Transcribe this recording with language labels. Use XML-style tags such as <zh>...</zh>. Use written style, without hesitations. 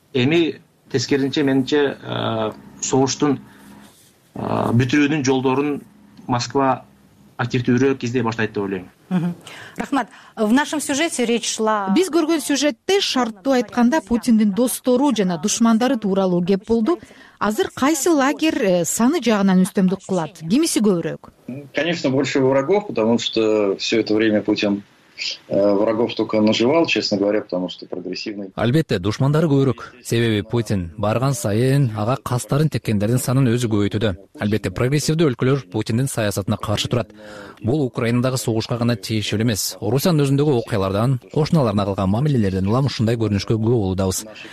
<ky>Эми тескерисинче менимче согуштун бүтүрүүнүн жолдорун Москва активдүүрөөк издей баштайт деп ойлойм.</ky> <ru>Рахмат. В нашем сюжете речь шла.</ru> <ky>Биз көргөн сюжетте шарттуу айтканда Путиндин достору жана душмандары тууралуу кеп болду. Азыр кайсы лагер саны жагынан үстөмдүк кылат? Кимиси көбүрөөк?</ky> <ru>Конечно, больше врагов, потому что все это время Путин врагов только наживал, честно говоря, потому что прогрессивный.</ru> <ky>Албетте, душмандары көбүрөөк. Себеби Путин барган сайын ага кастарын тепкендердин санын өзү көбөйтүүдө. Албетте, прогрессивдүү өлкөлөр Путиндин саясатына каршы турат. Бул Украинадагы согушка гана тиешелүү эмес. Орусиянын өзүндөгү окуялардан, кошуналарына кылган мамилелерден улам ушундай көрүнүшкө күбө болуудабыз.</ky>